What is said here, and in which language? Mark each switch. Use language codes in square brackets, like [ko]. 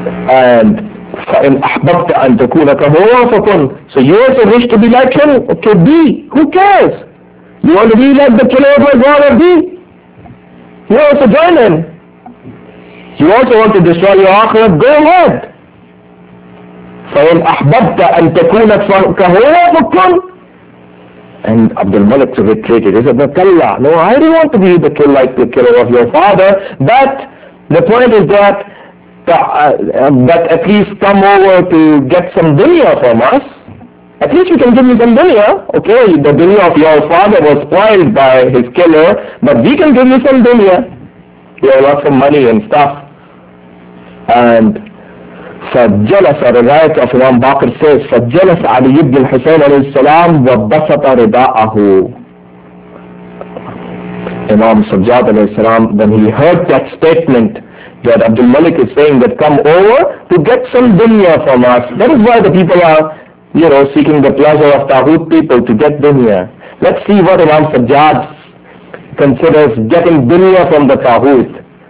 [ar] And فَإِنْ أَحْبَبْتَ أَنْ تَكُونَ كَهُوَ فَكُنْ. [en] So you also wish to be like him? Okay, be. Who cares? You want to be like the killer of my father? Be. You want to join him? You also want to destroy your akhirat? Go ahead. [ar] فَإِنْ أَحْبَبْتَ أَنْ تَكُونَ كَهُوَ فَكُنْ. [en] And Abd al-Malik retreated. He said, no, kalla. No, I don't want to be the killer like the killer of your father. But the point is that that at least come over to get some dunya from us. At least you can give me some dunya. Okay, the dunya of your father was spoiled by his killer, but we can give you some dunya. You have lots of money and stuff. [ar] And فَجَلَسَ رِغَيْتَ [en] of Imam Baqir says, [ar] فَجَلَسَ عَلِيُّ بْنِ الْحُسَيْنَ عَلَيْهِ السَّلَامِ وَبَّسَطَ رِدَاءَهُ. [en] Imam Sajjad alayhi salam, when he heard that statement, that Abd al-Malik is saying that come over to get some dunya from us. That is why the people are, you know, seeking the pleasure of Tawhid people to get dunya. Let's see what Imam Sajjad considers getting dunya from the Tawhid.